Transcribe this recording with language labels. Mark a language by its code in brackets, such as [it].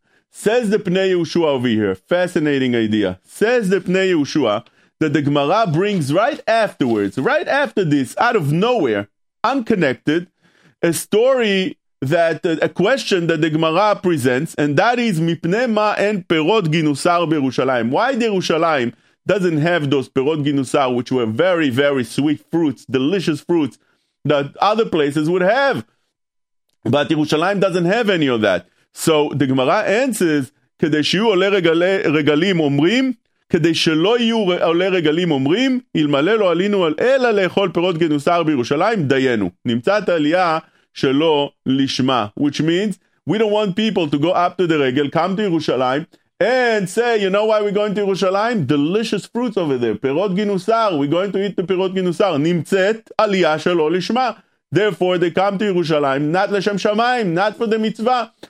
[en] Says the Pnei Yehoshua over here, fascinating idea. Says the Pnei Yehoshua, that the Gemara brings right afterwards, right after this, out of nowhere, unconnected, a story that, a question that the Gemara presents, and that is, [he] מפני מה אין פירות גינוסר בירושלים? [en] Why the Yerushalayim doesn't have those perot ginusar, which were very, very sweet fruits, delicious fruits that other places would have. But Yerushalayim doesn't have any of that. [he] So the Gemara answers, כדי שיהיו עולי רגלים אומרים, כדי שלא יהיו עולי רגלים אומרים, אלמלא לא עלינו על אלא לאכול פירות גינוסר בירושלים, דיינו. נמצאת עלייה שלא לשמה. [en] Which means, we don't want people to go up to the regal, come to Yerushalayim, and say, you know why we're going to Yerushalayim? Delicious fruits over there. Perot ginusar. We're going to eat the perot ginusar. [he] Nimtzet aliyah shelo lishma. [en] Therefore, they come to Yerushalayim, not l'shem shamayim, not for the mitzvah.